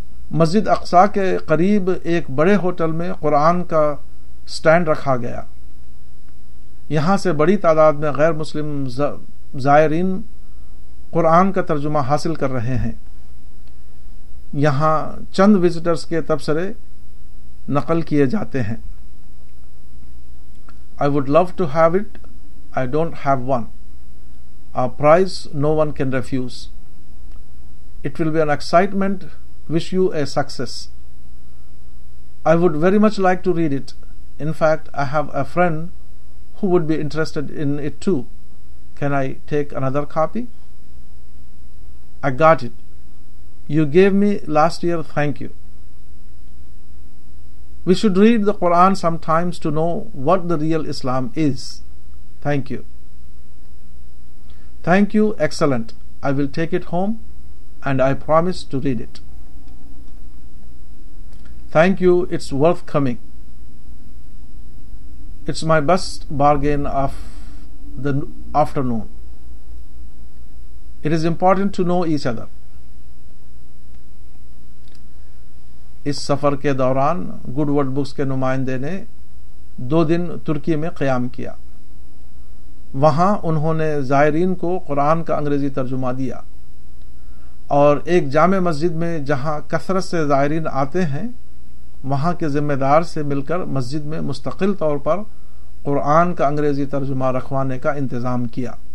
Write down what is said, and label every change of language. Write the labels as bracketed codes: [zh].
[ur] مسجد اقصا کے قریب ایک بڑے ہوٹل میں قرآن کا سٹینڈ رکھا گیا. یہاں سے بڑی تعداد میں غیر مسلم زائرین قرآن کا ترجمہ حاصل کر رہے ہیں. یہاں چند وزٹرز کے تبصرے نقل کیے جاتے ہیں. [en] I would love to have it, I don't have one. A prize no one can refuse. It will be an excitement. Wish you a success. I would very much like to read it. In fact, I have a friend who would be interested in it too. Can I take another copy? I got it. You gave me last year. Thank you. We should read the Quran sometimes to know what the real Islam is. Thank you. Thank you. Excellent. I will take it home and I promise to read it. Thank you. It's worth coming. It's my best bargain of the afternoon. It is important to know each other. [ur] اس سفر کے دوران good world books کے نمائندے نے 2 دن ترکی میں قیام کیا. وہاں انہوں نے زائرین کو قرآن کا انگریزی ترجمہ دیا اور ایک جامع مسجد میں جہاں کثرت سے زائرین آتے ہیں وہاں کے ذمہ دار سے مل کر مسجد میں مستقل طور پر قرآن کا انگریزی ترجمہ رکھوانے کا انتظام کیا.